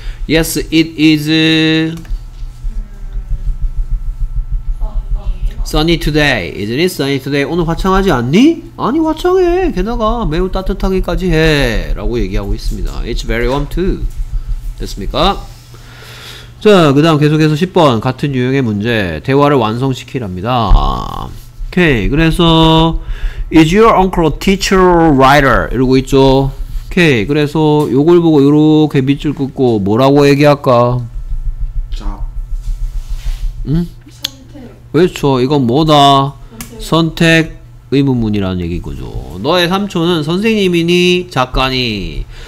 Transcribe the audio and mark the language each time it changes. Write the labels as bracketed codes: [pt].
[en] Yes it is sunny today. Isn't it sunny today? [ko] 오늘 화창하지 않니? 아니 화창해. 게다가 매우 따뜻하기까지 해 라고 얘기하고 있습니다. [en] It's very warm too. [ko] 됐습니까? 자, 그 다음 계속해서 10번 같은 유형의 문제 대화를 완성시키랍니다. 오케이. [en] 그래서 Is your uncle a teacher or writer? [ko] 이러고 있죠. 오케이. 그래서 요걸 보고 요렇게 밑줄 긋고 뭐라고 얘기할까? 자. 선택. 그렇죠. 이건 뭐다? 선택 의문문이라는 얘기인거죠. 너의 삼촌은 선생님이니 작가니.